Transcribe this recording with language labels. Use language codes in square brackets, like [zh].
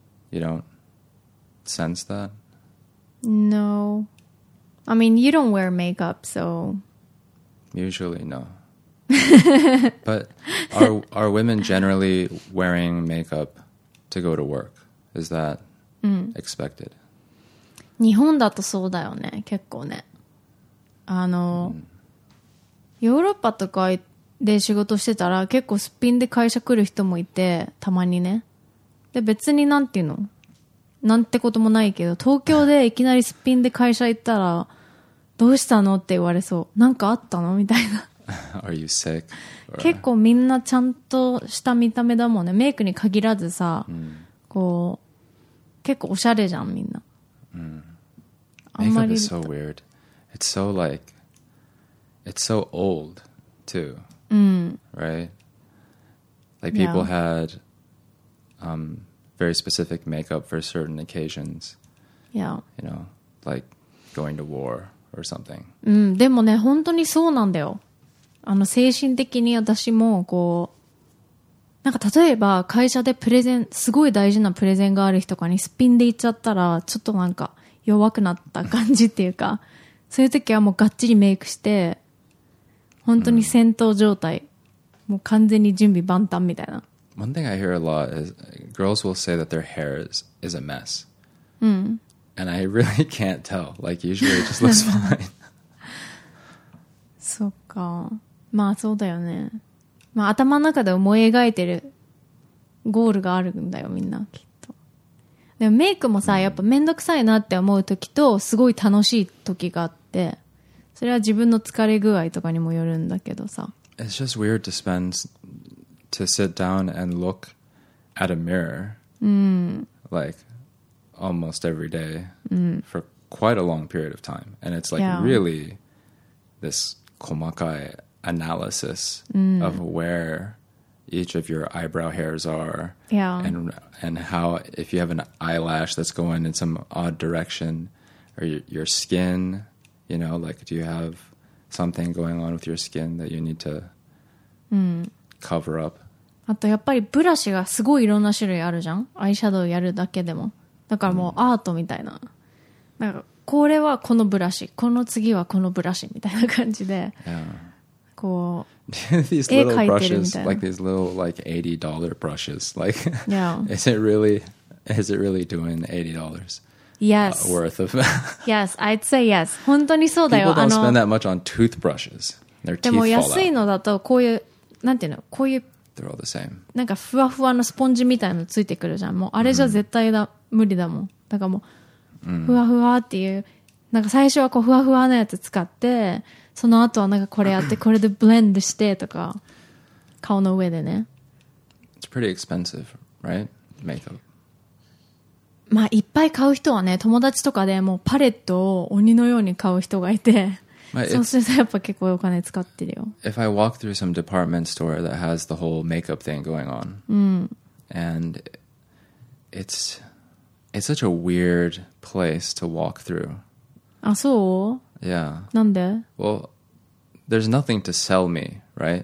[en] You don't sense that? No. I mean, you don't wear makeup, so... Usually, no. But are women generally wearing makeup to go to work? Is that expected? [ja] 日本だとそうだよね、結構ね。あの、ヨーロッパとかで仕事してたら結構すっぴんで会社来る人もいて、たまにね。で、別になんていうの?なんてこともないけど、東京でいきなりすっぴんで会社行ったら、どうしたのって言われそう。なんかあったのみたいな。 [en] Are you sick? [ja] 結構みんなちゃんとした見た目だもんね。メイクに限らずさ、こう、結構おしゃれじゃん、みんな。 [en] Makeup is so weird. It's so like, it's so old too, right? Like people had very specific makeup for certain occasions. Yeah. You know, like going to war or something. [ja] でもね、本当にそうなんだよ。あの、精神的に私もこう、なんか例えば会社でプレゼン、すごい大事なプレゼンがある人かにスピンで行っちゃったら、ちょっとなんか、弱くなった感じっていうか、そういう時はもうがっちりメイクして、本当に戦闘状態、もう完全に準備万端みたいな。 [en] One thing I hear a lot is girls will say that their hair is a mess. And I really can't tell. Like usually it just looks fine. [ja] そっか。まあそうだよね。まあ頭の中で思い描いてるゴールがあるんだよ、みんな。でもメイクもさ、やっぱめんどくさいなって思う時とすごい楽しい時があって、それは自分の疲れ具合とかにもよるんだけどさ。 [en] It's just weird to spend, to sit down and look at a mirror, like almost every day, for quite a long period of time. And it's like really this [ja] 細かい [en] analysis of where each of your eyebrow hairs are. And how, if you have an eyelash that's going in some odd direction, or your skin, you know, like, do you have something going on with your skin that you need to cover up? [ja] あとやっぱりブラシがすごいいろんな種類あるじゃん。アイシャドウやるだけでも。だからもうアートみたいな。なんか、これはこのブラシ、この次はこのブラシみたいな感じで。こう。 [en] These little brushes, like these little like $80 brushes, like is it really doing $80? Yes, worth of. Yes, I'd say yes. [ja] 本当にそうだよ。 [en] People don't spend that much on toothbrushes. Their teeth fall out. [ja] でも安いのだとこういうなんていうのこういう [en] they're all the same. [ja] なんかふわふわのスポンジみたいのついてくるじゃん。もうあれじゃ絶対だ無理だもん。だからもうふわふわっていうなんか最初はこうふわふわのやつ使って。その後はなんかこれやってこれでブレンドしてとか顔の上でね。 [en] It's pretty expensive, right? Makeup. [ja] まあいっぱい買う人はね、友達とかでもうパレットを鬼のように買う人がいて、そうするとやっぱ結構お金使ってるよ。 [en] If I walk through some department store that has the whole makeup thing going on, and it's such a weird place to walk through. [ja] あ、そう? [en] Yeah. [ja] なんで? [en] Well, there's nothing to sell me, right?